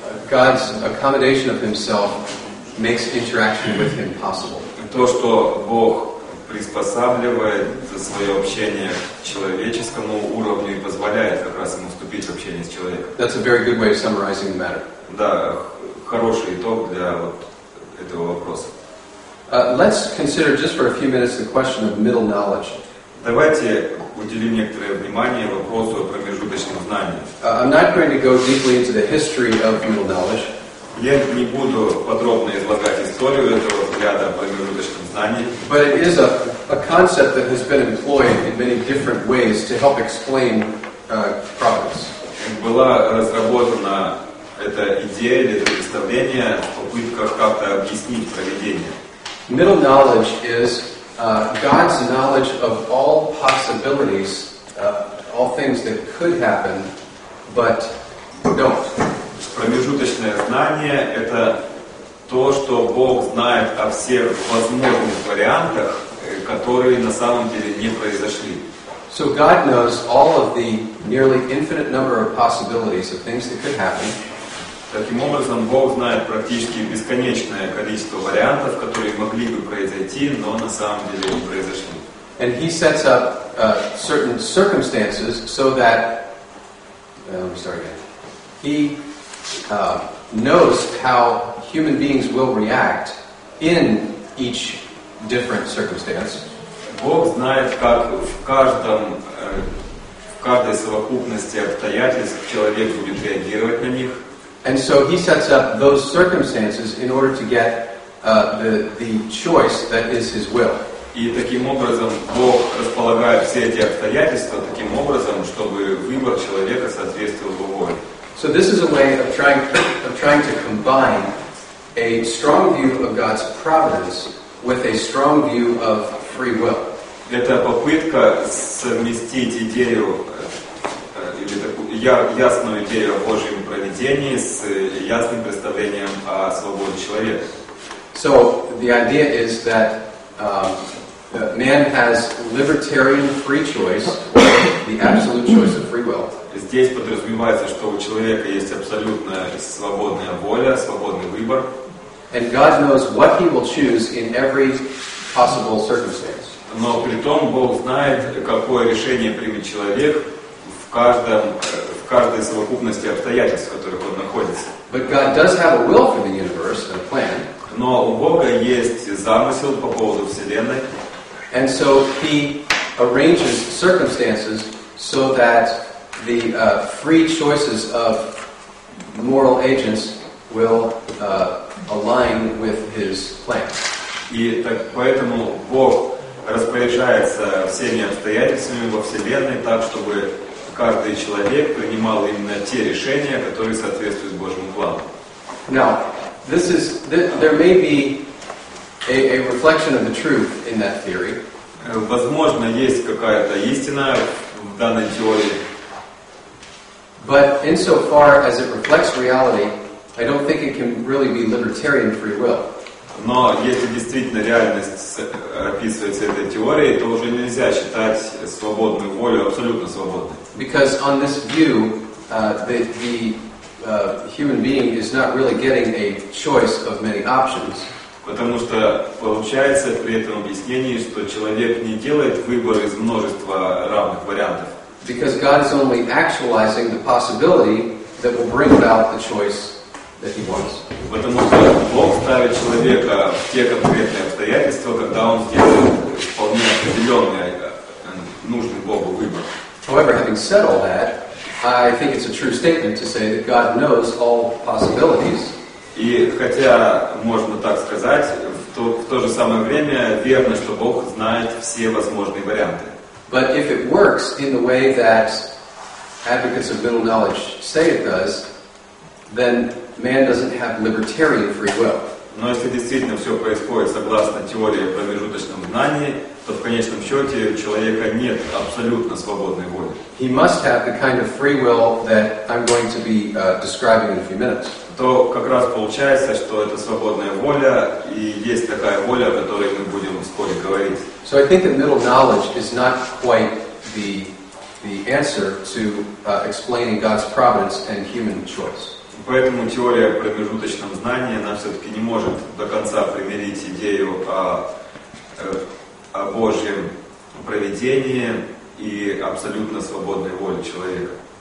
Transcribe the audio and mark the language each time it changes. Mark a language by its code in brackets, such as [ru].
[en] God's accommodation of himself makes interaction with him possible. [ru] То, что Бог приспосабливает свое общение к человеческому уровню и позволяет как раз ему вступить в общение с человеком. [en] That's a very good way of summarizing the matter. [ru] Да, хороший итог для вот этого вопроса. [en] Let's consider just for a few minutes the question of middle knowledge. [ru] Давайте уделим некоторое внимание вопросу о промежуточном знании. [en] I'm not going to go deeply into the history of middle knowledge. [ru] Я не буду подробно излагать историю этого взгляда о промежуточном знании. [en] But it is a concept that has been employed in many different ways to help explain progress. [ru] Была разработана эта идея или это представление в попытках как-то объяснить проведение. [en] Middle knowledge is God's knowledge of all possibilities, all things that could happen, but don't. [ru] Промежуточное знание — это то, что Бог знает о всех возможных вариантах, которые на самом деле не произошли. [en] So God knows all of the nearly infinite number of possibilities of things that could happen. [ru] Таким образом, Бог знает практически бесконечное количество вариантов, которые могли бы произойти, но на самом деле не произошли. [en] And he sets up certain circumstances so that he knows how human beings will react in each different circumstance. [ru] Бог знает, как в каждой совокупности обстоятельств человек будет реагировать на них. [en] And so he sets up those circumstances in order to get the choice that is his will. [ru] И таким образом Бог располагает все эти обстоятельства таким образом, чтобы выбор человека соответствовал его воле. [en] So this is a way of trying to combine a strong view of God's providence with a strong view of free will. [ru] Это попытка совместить идею или такую ясную идею о Божьем проведении с ясным представлением о свободе человека. [en] So the idea is that man has libertarian free choice, or the absolute choice of free will. [ru] Здесь подразумевается, что у человека есть абсолютная свободная воля, свободный выбор. [en] And God knows what he will choose in every possible circumstance. [ru] Но при том Бог знает, какое решение примет человек в каждой совокупности обстоятельств, в которых он находится. [en] But God does have a will for the universe and a plan. [ru] Но у Бога есть замысел по поводу Вселенной. [en] And so he arranges circumstances so that the free choices of moral agents will align with his plan. [ru] И так поэтому Бог распоряжается всеми обстоятельствами во Вселенной так, чтобы каждый человек принимал именно те решения, которые соответствуют Божьему плану. [en] Now, this is there may be a reflection of the truth in that theory. [ru] Возможно, есть какая-то истина в данной теории. [en] But insofar as it reflects reality, I don't think it can really be libertarian free will. [ru] Но если действительно реальность описывается этой теорией, то уже нельзя считать свободную волю абсолютно свободной. [en] Because on this view, the human being is not really getting a choice of many options. [ru] Потому что получается при этом объяснении, что человек не делает выбор из множества равных вариантов. [en] Because God is only actualizing the possibility that will bring about the choice that he wants. [ru] Потому что Бог ставит человека в те конкретные обстоятельства, когда он делает вполне определенный, нужный Богу выбор. [en] However, having said all that, I think it's a true statement to say that God knows all possibilities. [ru] И хотя можно так сказать, в то же самое время верно, что Бог знает все возможные варианты. [en] But if it works in the way that advocates of middle knowledge say it does, then man doesn't have libertarian free will. [ru] Но если действительно все происходит согласно теории о промежуточном знании, то в конечном счете у человека нет абсолютно свободной воли. [en] He must have the kind of free will that I'm going to be describing in a few minutes. [ru] То как раз получается, что это свободная воля, и есть такая воля, о которой мы будем вскоре говорить. [en] So I think that middle knowledge is not quite the answer to explaining God's providence and human choice. [ru] Поэтому теория о промежуточном знании, она все-таки не может до конца примирить идею о Божьем провидении и абсолютно свободной воле человека.